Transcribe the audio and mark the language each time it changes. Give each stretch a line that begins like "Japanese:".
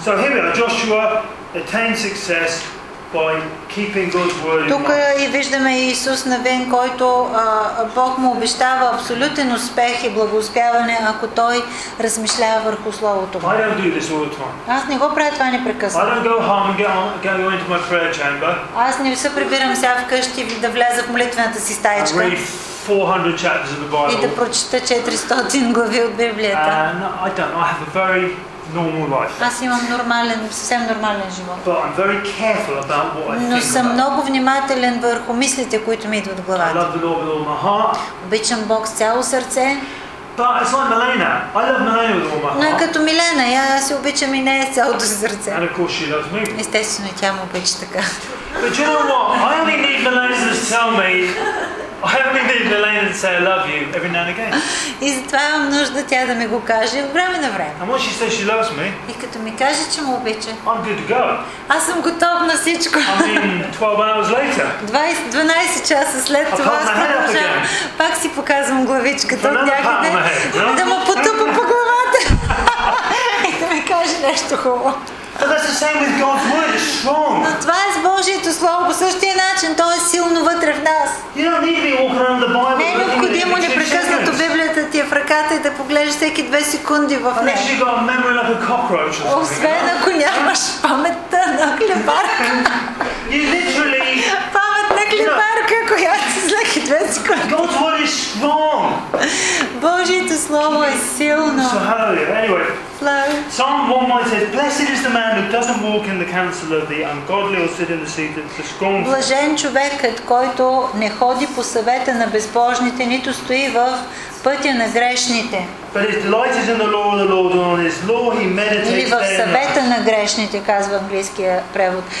English: So here we are, Joshua attained success by keeping God's word in mind.
Bulgarian: Тук и виждаме Исус Навин, който Бог му обещава абсолютен успех и благоуспяване, ако той размишлява върху Словото.
English: I don't do this all the time.
Bulgarian: Аз не го правя това непрекъснато.
English: I don't go home and go into my prayer chamber.
Bulgarian: Аз не се прибирам сега вкъщи да вляза в молитвената си стаечка.
English: I read 400 chapters of the Bible.
Bulgarian: И да прочита 400 глави от Библията.
English: I have a very normal life.
Bulgarian: Аз имам нормален, съвсем нормален живот.
English: But I'm very careful about what I think.
Bulgarian: Но съм много внимателен върху мислите, които ми идват в главата.
English: I love the Lord with all my heart.
Bulgarian: Обичам Бог с цяло сърце.
English: But it's like Milena. I love Milena with all my heart.
Bulgarian: Но е като Милена, я се обичам и нея с цялото си сърце.
English: And of course she loves me.
Bulgarian: Естествено, тя ме обича така.
English: But you know what? I only need Milena to tell me. I only need Milena to say I love you every now and again.
Bulgarian: И затова имам нужда тя да ми го каже време на време.
English: And once she says she loves me,
Bulgarian: и като ми каже, че ме обича,
English: I'm good to go.
Bulgarian: Аз съм готов на всичко.
English: I mean, 12
Bulgarian: часа след това, пак си показвам главичката от някъде, да му потупа по главата и да ми каже нещо хубаво.
English: But that's the same with God's word. It's strong.
Bulgarian: Но това е с Божието слово по същия начин. То е силно вътре в нас.
English: You don't need to be walking around the Bible.
Bulgarian: Не е необходимо непрекъснато Библията ти е в ръката и да поглеждаш всеки 2 секунди в нея.
English: Unless you got a memory like a cockroach.
Bulgarian: Освен ако нямаш паметта на хлебарка.
English: You literally.
Bulgarian: Памет на хлебарка, която всеки 2 секунди.
English: God's word is strong.
Bulgarian: Божието слово е силно.
English: So hallelujah. Anyway. flow. Psalm 1:1 says, "Blessed is the man who doesn't walk in the counsel of the ungodly or sit in the seat of the scornful."
Bulgarian: Блажен човекът, който не ходи по съвета на безбожните, нито стои в пътя на грешните.
English: But his delight is in the law of the Lord, and on his law he meditates.
Bulgarian: Или в съвета на грешните, казва английския превод.